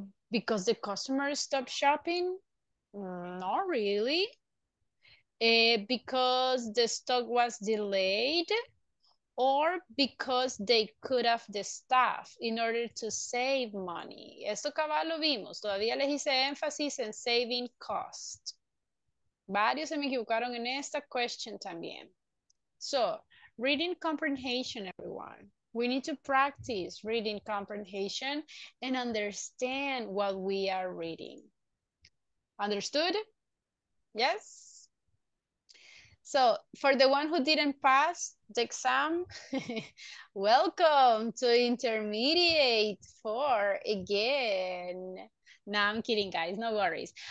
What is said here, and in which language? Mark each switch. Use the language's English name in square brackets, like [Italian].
[English] Because the customers stopped shopping? Not really. Because the stock was delayed? Or because they cut off the staff in order to save money? [Spanish] Esto acaba lo vimos. Todavía les hice énfasis en [English] saving cost. [Spanish] Varios se me equivocaron en esta question también. [English] So, reading comprehension, everyone. We need to practice reading comprehension and understand what we are reading. Understood? Yes? So for the one who didn't pass the exam, welcome to intermediate 4 again. No, I'm kidding, guys. No worries.